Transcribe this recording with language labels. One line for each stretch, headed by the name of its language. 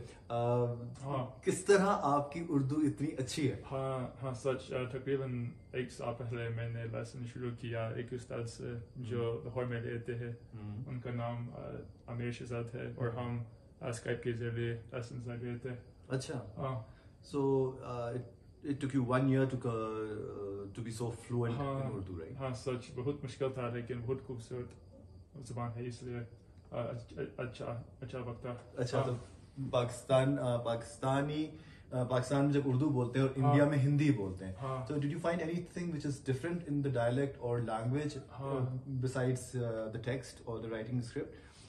Hindi: किस तरह आपकी उर्दू इतनी अच्छी है? हाँ हाँ, सच तकरीबन एक साल पहले मैंने लेसन शुरू किया एक उस्ताद से जो लाहौर में रहते हैं, उनका नाम आमिर शहजाद है और हम स्काइप के जरिए लेसन लग रहे थे। अच्छा, सो
English: it took you 1 year to be so fluent in Urdu, right?
Hindi: हाँ सच, बहुत मुश्किल था लेकिन बहुत खूबसूरत ज़बान है, इसलिए अच्छा वक्त। अच्छा, तो पाकिस्तान में जब उर्दू बोलते हैं और इंडिया में हिंदी बोलते हैं, तो
English: Did you find anything which is different in the dialect और language besides the text और the writing script?